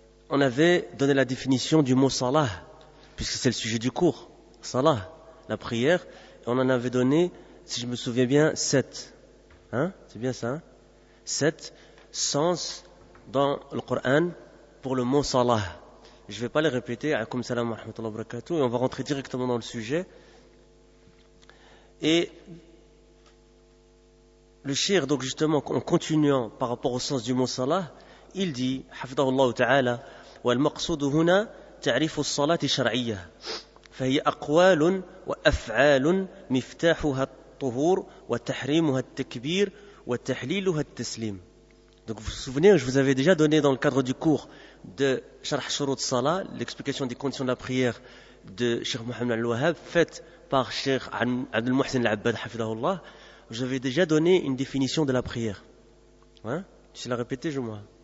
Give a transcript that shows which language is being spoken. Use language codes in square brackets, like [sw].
[fr] On avait donné la définition du mot Salah, puisque c'est le sujet du cours, Salah, la prière. On en avait donné, si je me souviens bien, 7. Hein? C'est bien ça, hein? 7 sens dans le Coran pour le mot Salah. Je ne vais pas les répéter, [ar] alaykoum salam wa rahmatullahi wa barakatuh, [fr] et on va rentrer directement dans le sujet. Et le shir, donc justement, en continuant par rapport au sens du mot Salah, il dit, [ar] حفظه الله تعالى, والمقصود هنا تعريف الصلاة شرعية فهي أقوال وأفعال مفتاحها الطهور وتحريمها التكبير وتحليلها التسليم. [fr] Donc vous vous souvenez, je vous avais déjà donné dans le cadre du cours de Sharh Shurut Salah, l'explication des conditions de la prière de Cheikh Mohamed Al-Wahhab, faite par Cheikh Abdel Mohsen Al-Abbad, hafidahullah. Je vous avais déjà donné une définition de la prière. Hein? Tu sais la répéter, Jumu'ah?